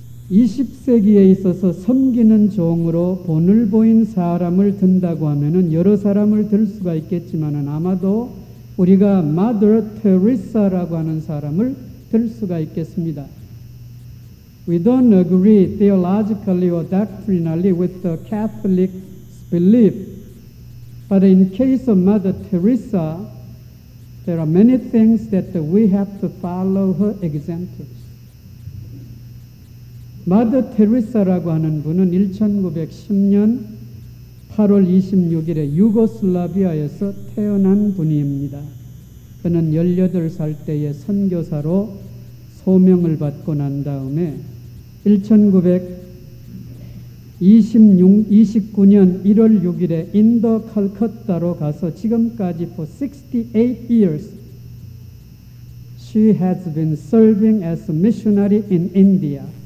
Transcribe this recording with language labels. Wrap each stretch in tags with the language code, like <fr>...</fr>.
<ko>20세기에 있어서 섬기는 종으로 본을 보인 사람을 든다고 하면은 여러 사람을 들 수가 있겠지만은 아마도 우리가 마더 테레사라고 하는 사람을 들 수가 있겠습니다.</ko> <en>We don't agree theologically or doctrinally with the Catholic belief. But in case of Mother Teresa, there are many things that we have to follow her examples.</en> <ko>마더 테레사라고 하는 분은 1910년 8월 26일에 유고슬라비아에서 태어난 분입니다. 그는 18살 때에 선교사로 소명을 받고 난 다음에 1929년 1월 6일에 인도 칼커타로 가서 지금까지</ko> <en>for 68 years she has been serving as a missionary in India.</en>